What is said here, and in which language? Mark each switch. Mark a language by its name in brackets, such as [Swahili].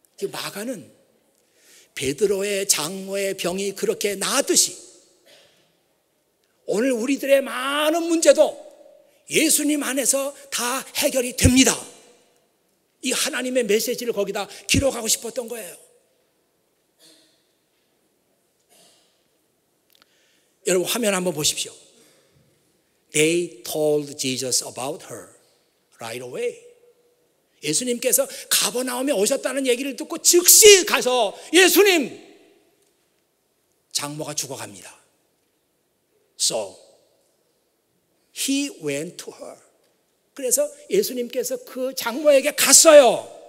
[Korean] 마가는 베드로의 장모의 병이 그렇게 나았듯이 오늘 우리들의 많은 문제도 예수님 안에서 다 해결이 됩니다. 이 하나님의 메시지를 거기다 기록하고 싶었던 거예요. 여러분 화면 한번 보십시오. [English] They told Jesus about her right away. [Korean] 예수님께서 가버나움에 오셨다는 얘기를 듣고 즉시 가서 예수님, 장모가 죽어갑니다. [English] So he went to her. [Korean] 그래서 예수님께서 그 장모에게 갔어요.